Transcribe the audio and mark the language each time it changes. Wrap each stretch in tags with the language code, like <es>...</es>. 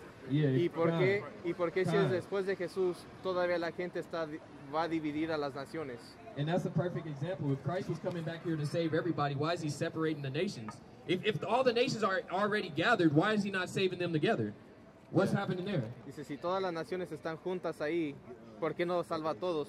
<es>¿Y por qué si es después de Jesús todavía la gente va a dividir a las naciones?</es> <en>And that's a perfect example. If Christ was coming back here to save everybody, why is he separating the nations? If all the nations are already gathered, why is he not saving them together? What's happening there?</en> <es>Dice, si todas las naciones están juntas ahí, ¿por qué no salva a todos?</es>